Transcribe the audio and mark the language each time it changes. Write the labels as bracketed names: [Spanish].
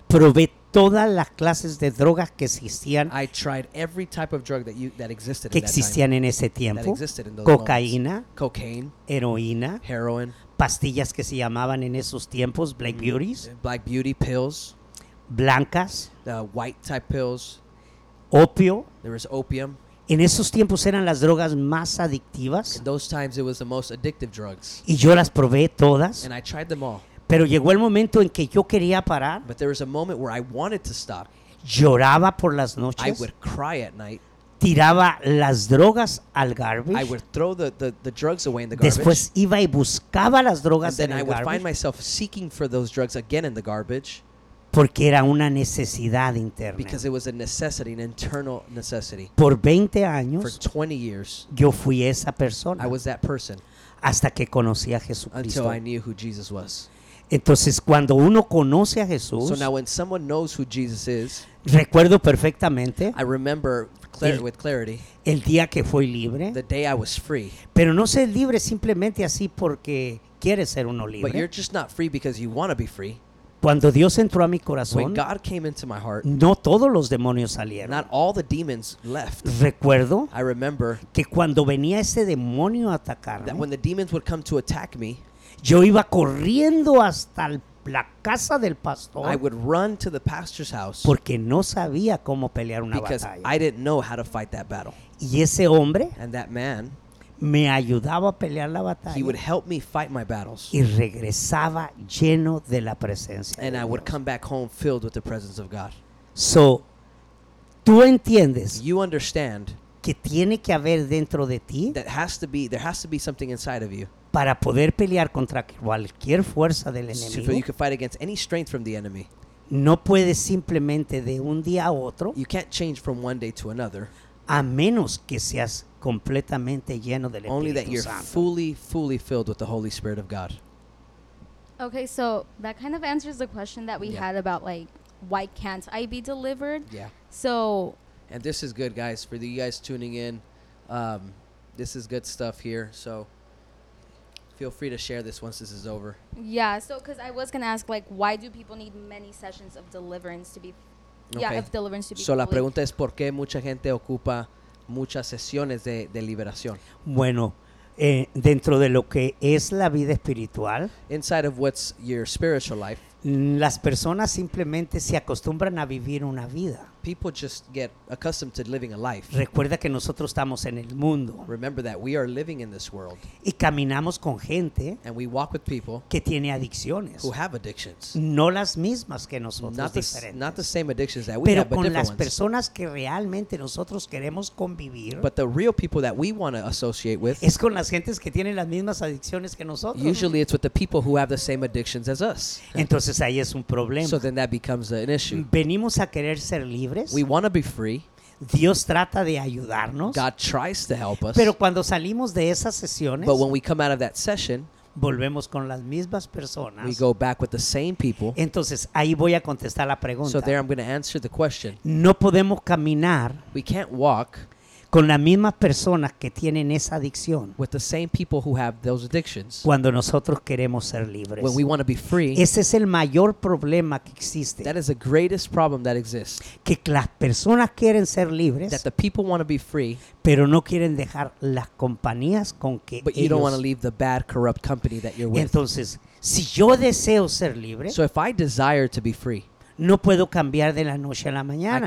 [Spanish] probé todas las clases de drogas que existían [English] I tried every type of drug that you, that existed [Spanish] que existían [English] time, [Spanish] en ese tiempo. [English] That existed in those [Spanish] cocaína, [English] moments. Cocaine, [Spanish] heroína, [English] heroin, [Spanish] pastillas que se llamaban en esos tiempos Black Beauties. [English] Black Beauty pills. [Spanish] Blancas, [English] the white type pills, [Spanish] opio, [English] there was opium. [Spanish] En esos tiempos eran las drogas más adictivas. [English] In those times it was the most addictive drugs. [Spanish] Y yo las probé todas. [English] And I tried them all. [Spanish] Pero llegó el momento en que yo quería parar. [English] But there was a moment where I wanted to stop. [Spanish] Lloraba por las noches. [English] I would cry at night. [Spanish] Tiraba las drogas al garbage. [English] I would throw the drugs away in the garbage. [Spanish] Después iba y buscaba las drogas [English] and then [Spanish] en el garbage. [English] I would find myself seeking for those drugs again in the garbage. [Spanish] Porque era una necesidad interna. [English] Because it was a necessity, an internal necessity. [Spanish] Por 20 años, [English] for 20 years, [Spanish] yo fui esa persona. [English] I was that person. [Spanish] Hasta que conocí a Jesucristo. [English] Until I knew who Jesus was. [Spanish] Entonces, cuando uno conoce a Jesús, [English] so now when someone knows who Jesus is, [Spanish] recuerdo perfectamente, [English] I remember with clarity, [Spanish] el día que fui libre, [English] the day I was free. [Spanish] Pero no ser libre simplemente así porque quieres ser uno libre. [English] But you're just not free because you want to be free. [Spanish] Cuando Dios entró a mi corazón, [English] when God came into my heart, [Spanish] no todos los demonios salieron. [English] Not all the demons left. [Spanish] Recuerdo [English] I remember [Spanish] que cuando venía ese demonio a atacarme, [English] that when the demons would come to attack me, [Spanish] yo iba corriendo hasta la casa del pastor. [English] I would run to the pastor's house [Spanish] porque no sabía cómo pelear una [English] because [Spanish] batalla. [English] I didn't know how to fight that battle. [Spanish] Y ese hombre, [English] and that man, [Spanish] me ayudaba a pelear la batalla. [English] He would help me fight my battles. [Spanish] Y regresaba lleno de la presencia. [English] And I would come back home filled with the presence of God. [Spanish] So, tú entiendes. [English] You understand. [Spanish] Que tiene que haber dentro de ti. [English] That has to be, there has to be something inside of you. [Spanish] Para poder pelear contra cualquier fuerza del enemigo. [English] So you can fight against any strength from the enemy. [Spanish] No puedes simplemente de un día a otro. [English] You can't change from one day to another. [Spanish] A menos que seas completamente lleno del Espíritu [English] Santo. Only that you're [Spanish] Santo. [English] Fully, fully filled with the Holy Spirit of God. Okay, so that kind of answers the question that we yeah. had about, like, why can't I be delivered? Yeah. So. And this is good, guys. For the you guys tuning in, this is good stuff here. So feel free to share this once this is over. Yeah, so because I was going to ask, like, why do people need many sessions of deliverance to be Okay. Yeah, if deliverance to be so complete. [Spanish] La pregunta es por qué mucha gente ocupa muchas sesiones de liberación. Bueno, dentro de lo que es la vida espiritual, [English] inside of what's your spiritual life, [Spanish] las personas simplemente se acostumbran a vivir una vida. [English] People just get accustomed to living a life. [Spanish] Recuerda que nosotros estamos en el mundo. [English] Remember that we are living in this world. [Spanish] Y caminamos con gente. [English] And we walk with people [Spanish] que tiene adicciones. [English] Who have addictions. [Spanish] No las mismas que nosotros, [English] not [Spanish] diferentes. [English] Not the same addictions that we [Spanish] pero [English] have, but different ones. [Spanish] Pero con las personas que realmente nosotros queremos convivir. [English] But the real people that we want to associate with. [Spanish] Es con las gentes que tienen las mismas adicciones que nosotros. [English] Usually it's with the people who have the same addictions as us. [Spanish] Entonces ahí es un problema. [English] So then that becomes an issue. [Spanish] Venimos a querer ser libres. [English] We want to be free. [Spanish] Dios trata de ayudarnos. [English] God tries to help us. [Spanish] Pero cuando salimos de esas sesiones, [English] but when we come out of that session, [Spanish] volvemos con las mismas personas. [English] We go back with the same people. [Spanish] Entonces, ahí voy a contestar la pregunta. [English] So there I'm going to answer the question. [Spanish] No podemos caminar. [English] We can't walk [Spanish] con las mismas personas que tienen esa adicción. [English] With the same people who have those addictions. [Spanish] Cuando nosotros queremos ser libres. [English] When we want to be free. [Spanish] Ese es el mayor problema que existe. [English] That is the greatest problem that exists. [Spanish] Que las personas quieren ser libres. [English] That the people want to be free. [Spanish] Pero no quieren dejar las compañías con que [English] ellos. But you don't want to leave the bad, corrupt company that you're with. [Spanish] Entonces, si yo deseo ser libre. [English] So if I desire to be free. [Spanish] No puedo cambiar de la noche a la mañana.